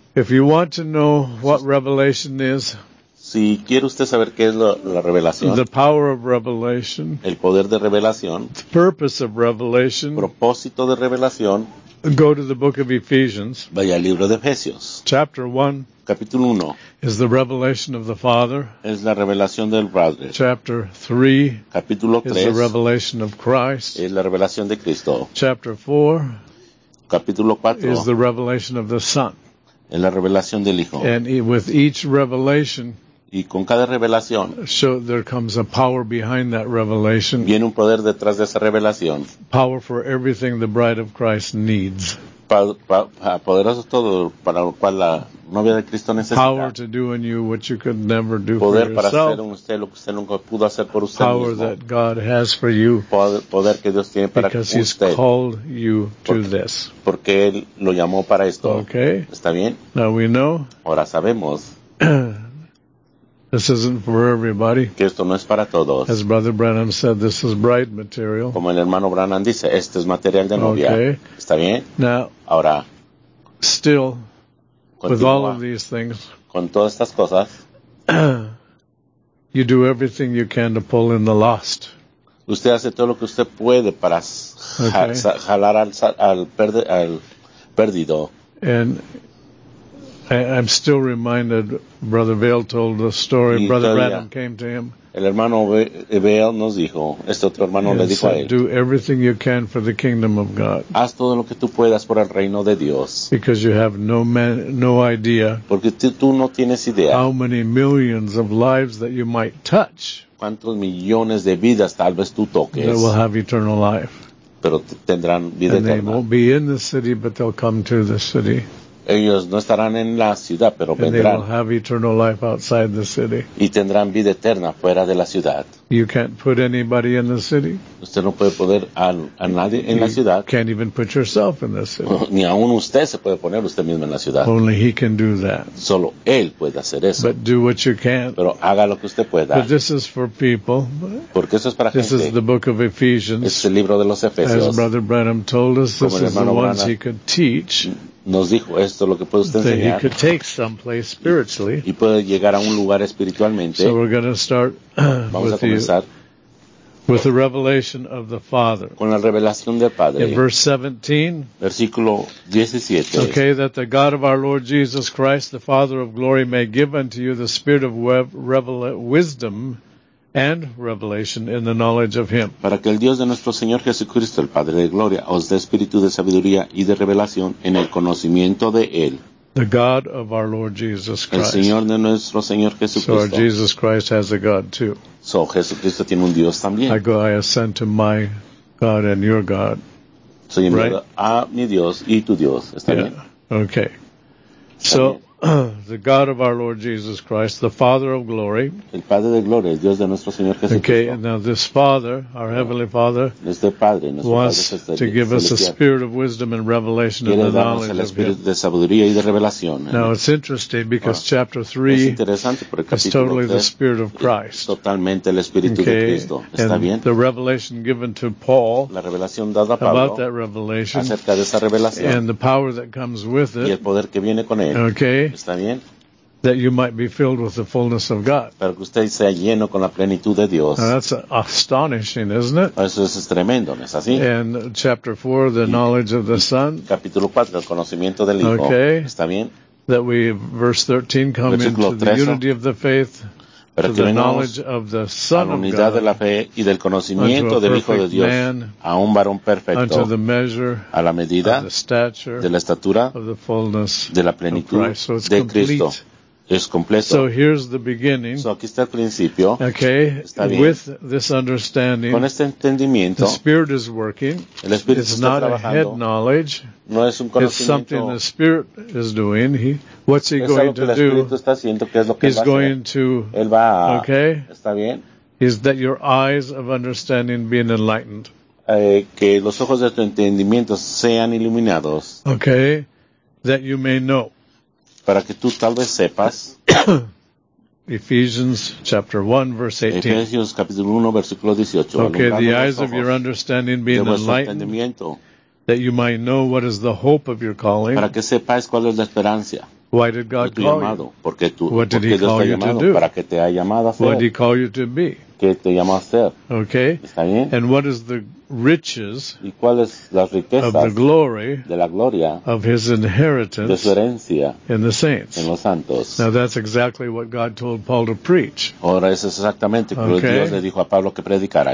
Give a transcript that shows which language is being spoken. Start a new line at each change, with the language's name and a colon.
English: If you want to know what revelation is,
Spanish: si quiere usted saber qué es la revelación,
English: the power of revelation,
Spanish: el poder de revelación,
English: the purpose of revelation,
Spanish: propósito de revelación,
English: go to the book of Ephesians,
Spanish: vaya al libro de Efesios,
English: chapter 1.
Spanish: Capítulo 1
English: is the revelation of the Father.
Spanish: Es la revelación del Padre.
English: Chapter 3.
Spanish: Capítulo 3
English: is the revelation of Christ.
Spanish: Es la revelación de Cristo.
English: Chapter 4.
Spanish: Capítulo 4
English: is the revelation of the Son.
Spanish: Es la revelación del Hijo.
English: And with each revelation,
Spanish: y con cada revelación,
English: so there comes a power behind that revelation.
Spanish: Viene un poder detrás de esa revelación.
English: Power for everything the bride of Christ needs.
Spanish: Poderoso todo para lo cual la novia de Cristo necesita.
English: Power to do in you what you could never do
Spanish: poder
English: for yourself.
Spanish: Para hacer en usted lo que usted nunca pudo hacer por usted
English: power
Spanish: mismo.
English: That God has for you
Spanish: poder que Dios tiene para
English: because
Spanish: usted.
English: Because he's called you to this.
Spanish: Porque él lo llamó para esto.
English: Okay.
Spanish: ¿Está bien?
English: Now we know.
Spanish: Ahora sabemos.
English: This isn't for everybody.
Spanish: Que esto no es para todos.
English: As Brother Branham said, this is bride material.
Spanish: Como el hermano Branham dice, este es material de novia.
English: Okay.
Spanish: ¿Está bien?
English: Now,
Spanish: ahora,
English: still,
Spanish: continua,
English: with all of these things,
Spanish: con todas estas cosas,
English: you do everything you can to pull in the lost.
Spanish: Usted hace todo lo que usted puede para jalar al perdido.
English: And I'm still reminded, Brother Vail told the story.
Spanish: Y
English: Brother
Spanish: todavía,
English: Branham came to him.
Spanish: El hermano Vail nos dijo, este otro hermano le dijo a él.
English: Do everything you can for the kingdom of God.
Spanish: Haz todo lo que tú puedas por el reino de Dios.
English: Because you have no idea.
Spanish: Porque tú no tienes idea.
English: How many millions of lives that you might touch.
Spanish: Cuántos millones de vidas tal vez tú toques.
English: That will have eternal life.
Spanish: Pero tendrán vida
English: and And they won't be in the city, but they'll come to the city.
Spanish: Ellos no estarán en la ciudad, pero
English: and
Spanish: vendrán.
English: They will have eternal life outside the city.
Spanish: Y tendrán vida eterna fuera de la ciudad.
English: You can't put anybody in the city.
Spanish: Usted no puede poner a nadie
English: you
Spanish: en la ciudad.
English: Can't even put yourself in the city.
Spanish: Ni aun usted se puede poner usted mismo en la ciudad.
English: Only he can do that.
Spanish: Solo él puede hacer eso.
English: But do what you can.
Spanish: Pero haga lo que usted pueda.
English: But this is for people.
Spanish: Porque eso es para
English: this
Spanish: gente.
English: Is the book of Ephesians.
Spanish: Es el libro de los Efesios.
English: As Brother Branham told us, this is the ones he could teach.
Spanish: Nos dijo esto lo que puede usted enseñar.
English: That he could take someplace spiritually.
Spanish: Y puede llegar a un lugar espiritualmente.
English: So we're going to start with the revelation of the Father.
Spanish: Con la revelación del Padre.
English: In verse 17.
Spanish: Versículo 17.
English: Okay, that the God of our Lord Jesus Christ, the Father of glory, may give unto you the spirit of wisdom and revelation in the knowledge of him.
Spanish: Para que el Dios de nuestro Señor Jesucristo, el Padre de gloria, os dé espíritu de sabiduría y de revelación en el conocimiento de él.
English: The God of our Lord Jesus Christ.
Spanish: El Señor de nuestro Señor Jesucristo.
English: So our Jesus Christ has a God too.
Spanish: So Jesucristo tiene un Dios también.
English: I ascend to my God and your God.
Spanish: Soy enviado
English: right?
Spanish: A mi Dios y tu Dios. ¿Está
English: yeah.
Spanish: Bien?
English: Okay. So the God of our Lord Jesus Christ, the Father of glory.
Spanish: El Padre de gloria, el Dios de nuestro Señor Jesucristo.
English: Okay, and now this Father, our Heavenly Father,
Spanish: este Padre,
English: wants
Spanish: Padre
English: to give us a spirit of wisdom and revelation of the knowledge
Spanish: el espíritu
English: of him.
Spanish: De sabiduría y de revelación.
English: Now it's interesting because chapter 3
Spanish: es interesante porque capítulo
English: 3 is totally the Spirit of Christ.
Spanish: Totalmente el espíritu
English: okay,
Spanish: de Cristo. ¿Está
English: and
Spanish: bien?
English: The revelation given to Paul
Spanish: la revelación dada a Pablo
English: about that revelation
Spanish: acerca de esa revelación
English: and the power that comes with it
Spanish: y el poder que viene con él.
English: Okay.
Spanish: ¿Está bien?
English: That you might be filled with the fullness of God.
Spanish: Para que usted sea lleno con la plenitud de Dios.
English: Now that's astonishing, isn't it?
Spanish: Eso es tremendo, ¿no es así?
English: And chapter 4, the knowledge of the Son.
Spanish: Capítulo 4, el conocimiento del Hijo.
English: Okay.
Spanish: ¿Está bien?
English: That we, verse 13, come
Spanish: versículo
English: into 13, the unity of the faith,
Spanish: para
English: to the knowledge of the Son
Spanish: a la unidad
English: of God,
Spanish: de la fe y del conocimiento del Hijo de Dios,
English: man,
Spanish: a un varón perfecto,
English: unto the measure,
Spanish: a la medida,
English: of the stature,
Spanish: de la estatura,
English: of the fullness,
Spanish: de la plenitud
English: of Christ. So it's
Spanish: de
English: complete.
Spanish: Cristo. Es completo.
English: So here's the beginning.
Spanish: So aquí está el principio.
English: Okay.
Spanish: Está bien.
English: With this understanding.
Spanish: Con este entendimiento.
English: The Spirit is working.
Spanish: El Espíritu
English: it's
Spanish: está
English: not
Spanish: trabajando.
English: A head knowledge.
Spanish: No es un conocimiento.
English: It's something the Spirit is doing. What's he
Spanish: es
English: going to do?
Spanish: Es algo que el Espíritu está haciendo. ¿Qué es lo que
English: he's
Spanish: va
English: going
Spanish: a hacer?
English: To.
Spanish: Él va a.
English: Okay.
Spanish: Está bien.
English: is that your eyes of understanding be enlightened.
Spanish: Que los ojos de tu entendimiento sean iluminados.
English: Okay, that you may know.
Spanish: Para que tú tal vez sepas.
English: Ephesians chapter 1 verse 18.
Spanish: Efesios capítulo 1 versículo 18.
English: Okay, the eyes of your understanding be enlightened. That you might know what is the hope of your calling.
Spanish: Para que sepas cuál es la esperanza.
English: Why did God call
Spanish: llamado?
English: You?
Spanish: Porque tú,
English: what did
Spanish: porque
English: he call you to do?
Spanish: Para que te haya llamado a hacer.
English: What did he call you to be?
Spanish: ¿Qué te llamó a hacer?
English: Okay.
Spanish: ¿Está bien?
English: And what is the riches
Spanish: ¿y cuál es las riquezas
English: of the glory
Spanish: de la gloria
English: of his inheritance
Spanish: de su herencia
English: in the saints?
Spanish: En los santos.
English: Now that's exactly what God told Paul to preach.
Spanish: Ahora eso es exactamente lo que Dios le dijo a Pablo que predicara.